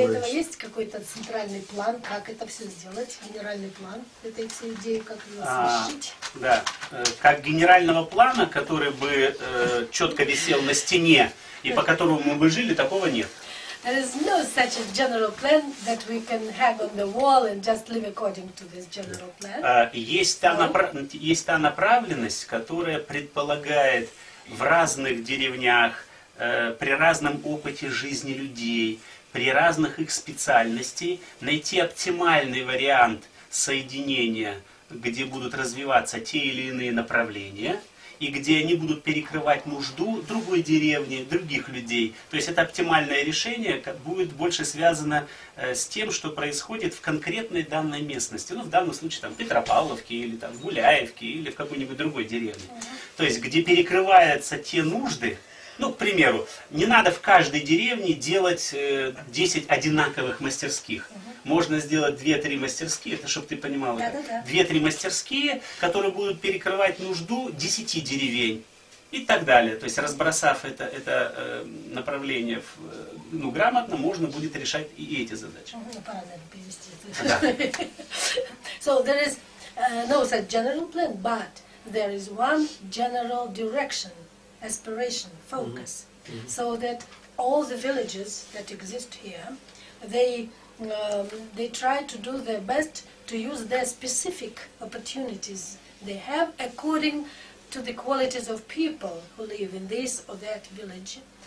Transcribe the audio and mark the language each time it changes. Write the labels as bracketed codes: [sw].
[ru] Есть какой-то центральный план, как это все сделать, генеральный план этой всей идеи, как ее освещить? Да, как генерального плана, который бы четко висел на стене и по которому мы бы жили, такого нет. [en] There is no such a general plan that we can have on the wall and just live according to this general plan. [ru] Есть та направленность, которая предполагает в разных деревнях, при разном опыте жизни людей, при разных их специальностях, найти оптимальный вариант соединения, где будут развиваться те или иные направления, и где они будут перекрывать нужду другой деревни, других людей. То есть это оптимальное решение будет больше связано с тем, что происходит в конкретной данной местности. Ну, в данном случае, там, Петропавловке, или там, Гуляевке, или в какой-нибудь другой деревне. То есть где перекрываются те нужды. Ну, к примеру, не надо в каждой деревне делать 10 одинаковых мастерских. Можно сделать 2-3 мастерские, это чтобы ты понимал. Да, да, да. 2-3 мастерские, которые будут перекрывать нужду 10 деревень и так далее. То есть разбросав это направление в, ну, грамотно, можно будет решать и эти задачи. Ну, пора, наверное, перевести это. Да. [en] So there is no general plan, but there is one general direction. Aspiration, focus, so that all the villages that exist here, they try to do their best to use their specific opportunities they have according to the qualities of people who live in this or that village.